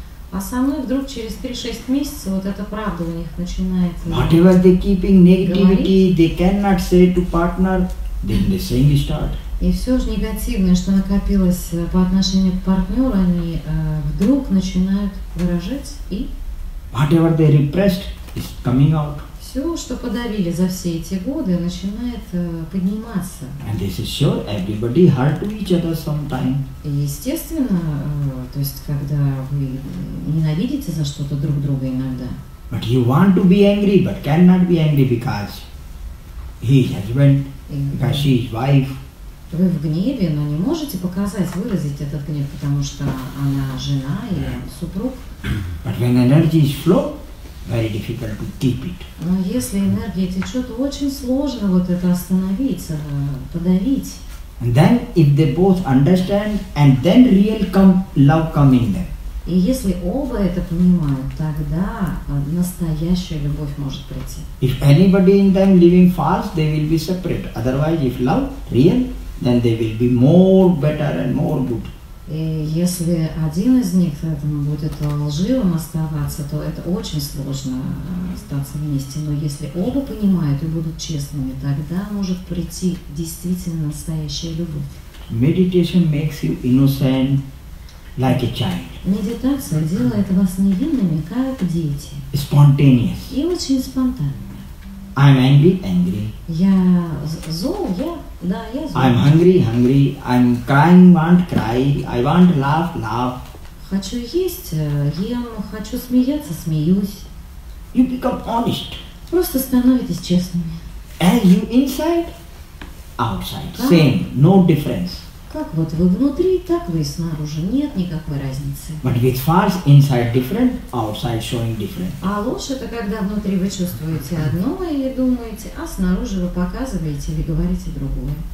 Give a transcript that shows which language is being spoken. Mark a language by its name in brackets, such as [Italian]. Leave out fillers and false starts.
[Russian] А со мной вдруг через 3-6 месяцев вот эта правда у них начинает говорить. [English] Whatever they keeping negativity, they cannot say to partner, then the same start. [Russian] И все же негативное, что накопилось по отношению к партнеру, они вдруг начинают выражать и... [English] Whatever they repressed is coming out. [Russian] Все, что подавили за все эти годы, начинает подниматься. [English] And this is sure everybody hurt to each other sometime. [Russian] И естественно, то есть когда вы ненавидите за что-то друг друга иногда. [English] But you want to be angry, but cannot be angry because he is husband, because she is wife. [Russian] Вы в гневе, но не можете показать, выразить этот гнев, потому что она жена и супруг. [English] But when energy is flow. Very difficult to keep it. [Russian] Но если энергия течет, очень сложно вот это остановить, подавить. [English] And then, if they both understand, and then real love come in them. [Russian] И если оба это понимают, тогда настоящая любовь может прийти. [English] If anybody in them living false, they will be separate. Otherwise, if love real, then they will be more better and more good. [Russian] И если один из них будет лживым оставаться, то это очень сложно остаться вместе. Но если оба понимают и будут честными, тогда может прийти действительно настоящая любовь. [English] Meditation makes you innocent, like a child. [Russian] Медитация делает вас невинными, как дети. [English] Spontaneous. [Russian] И очень спонтанно. [English] I'm angry. [Russian] Я зол, я, да, я зол. [English] I'm hungry. I'm crying, want cry. I want laugh. [Russian] Хочу есть, ем, хочу смеяться, смеюсь. [English] You become honest. [Russian] Просто становитесь честными. [English] And you inside, outside, [Russian] как? [English] Same, no difference. [Russian] Как вот вы внутри, так вы и снаружи, нет никакой разницы. [English] But with false, inside different, outside showing different. [Russian] А ложь это когда внутри вы чувствуете одно или думаете, а снаружи вы показываете или говорите другое.